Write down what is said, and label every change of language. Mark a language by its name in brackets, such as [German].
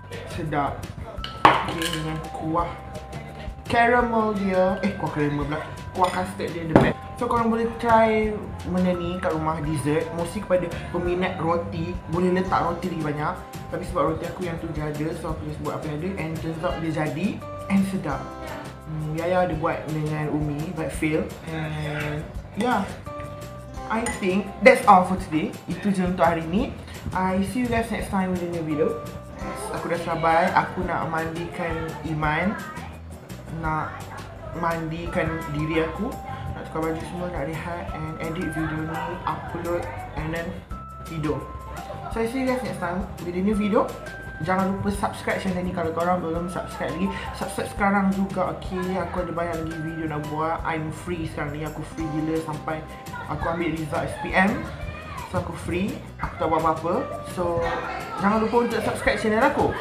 [Malay] Sedap. Okay, dengan kuah caramel dia. Kuah caramel pula. Kuah custard dia the best. So korang boleh try benda ni kat rumah, dessert. Mesti kepada peminat roti, boleh letak roti lagi banyak. Tapi sebab roti aku yang tu jaga, so aku just buat apa yang ada. [English] And turns out [Malay] dia jadi and sedap. Yaya ada buat dengan Umi but fail. [English] And yeah, I think that's all for today. [Malay] Itu je untuk hari ni. [English] I see you guys next time with a new video. [Malay] Aku dah sabar, aku nak mandikan iman. Nak mandikan diri aku. Nak tukar baju semua, nak rehat. And edit video ni, upload. [English] And then [Malay] tidur. [English] So I see you guys next time with a new video. [Malay] Jangan lupa subscribe channel ni kalau korang belum subscribe lagi. Subscribe sekarang juga, okay. Aku ada banyak lagi video nak buat. [English] I'm free [Malay] sekarang ni, aku free gila sampai aku ambil result SPM. So aku free, aku tak buat apa-apa. So jangan lupa untuk subscribe channel aku.